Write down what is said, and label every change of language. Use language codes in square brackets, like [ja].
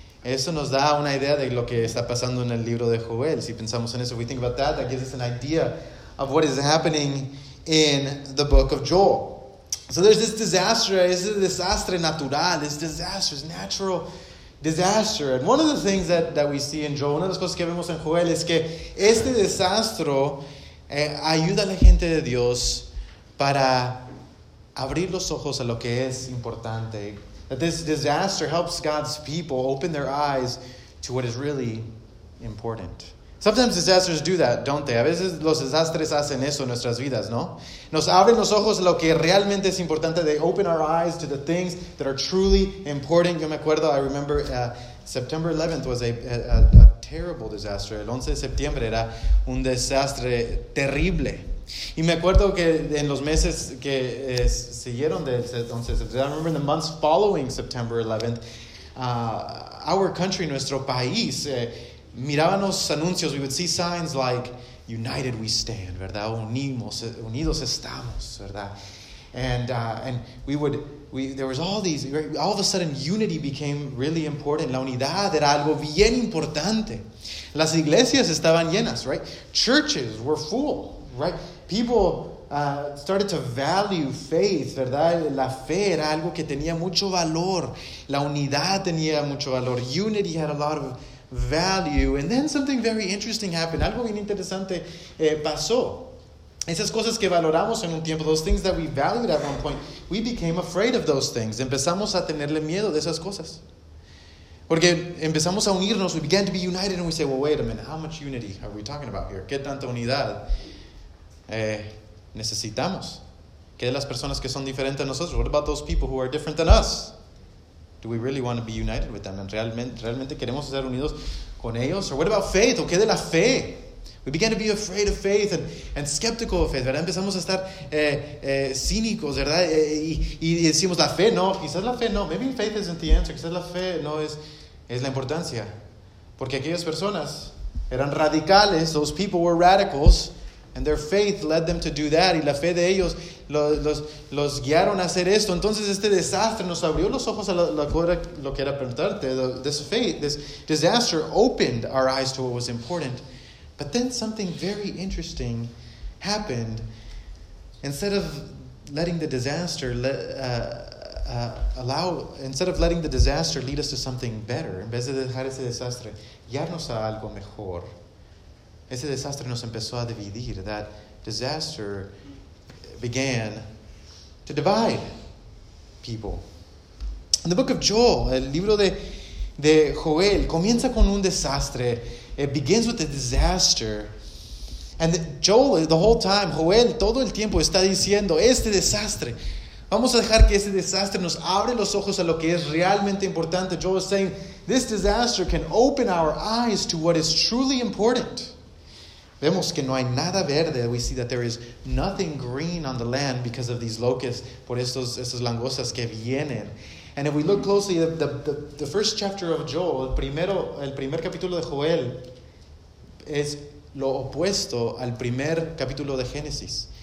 [es] Eso nos da una idea de lo que está pasando en el libro de Joel. Si pensamos en eso, [en] if we think about that, that gives us an idea of what is happening in the book of Joel. So there's this disaster, this is a [es] desastre natural, [en] this disaster is natural. Disaster. And one of the things that we see in Joel, [es] una de las cosas que vemos en Joel es que este desastro ayuda a la gente de Dios para abrir los ojos a lo que es importante. [en] That this disaster helps God's people open their eyes to what is really important. Sometimes disasters do that, don't they? [es] A veces los desastres hacen eso en nuestras vidas, ¿no? Nos abren los ojos a lo que realmente es importante. [en] They open our eyes to the things that are truly important. [es] Yo me acuerdo, [en] I remember September 11th was a terrible disaster. [es] El 11 de septiembre era un desastre terrible. Y me acuerdo que en los meses que siguieron del 11 de septiembre, [en] I remember in the months following September 11th, our country, [es] nuestro país, mirábamos anuncios, [en] we would see signs like "United we stand," [es] ¿verdad? Unimos, unidos estamos, ¿verdad? [en] All of a sudden unity became really important. [es] La unidad era algo bien importante. Las iglesias estaban llenas, [en] right? Churches were full, right? People started to value faith, [es] ¿verdad? La fe era algo que tenía mucho valor. La unidad tenía mucho valor. [en] Unity had a lot of value. And then something very interesting happened. [es] Algo bien interesante pasó. Esas cosas que valoramos en un tiempo, [en] those things that we valued at one point, we became afraid of those things. [es] Empezamos a tenerle miedo de esas cosas. Porque empezamos a unirnos, [en] we began to be united, and we say, well, wait a minute, how much unity are we talking about here? [es] ¿Qué tanta unidad necesitamos? ¿Qué de las personas que son diferentes a nosotros? [en] What about those people who are different than us? Do we really want to be united with them? [es] ¿And realmente queremos ser unidos con ellos? [en] Or what about faith? [es] ¿O qué de la fe? [en] We began to be afraid of faith and skeptical of faith, [es] ¿verdad? Empezamos a estar cínicos, ¿verdad? Y decimos, la fe no, quizás la fe no. [en] Maybe faith isn't the answer. [es] Quizás la fe no es la importancia. Porque aquellas personas eran radicales, [en] those people were radicals, and their faith led them to do that. [es] Y la fe de ellos los guiaron a hacer esto. Entonces este desastre nos abrió los ojos a lo que era preguntarte. [en] This disaster opened our eyes to what was important. But then something very interesting happened. Instead of letting the disaster lead us to something better, [es] en vez de dejar ese desastre guiarnos a algo mejor, ese desastre nos empezó a dividir. [en] That disaster began to divide people. In the book of Joel, [es] el libro de Joel comienza con un desastre. [en] It begins with a disaster. And Joel, the whole time, [es] Joel, todo el tiempo está diciendo, este desastre. Vamos a dejar que este desastre nos abre los ojos a lo que es realmente importante. [en] Joel is saying, this disaster can open our eyes to what is truly important. [es] Vemos que no hay nada verde. [en] We see that there is nothing green on the land because of these locusts, [es] por estos langostas que vienen. And if we look closely at the first chapter of Joel, el primer capítulo de Joel es lo opuesto al primer capítulo de Génesis.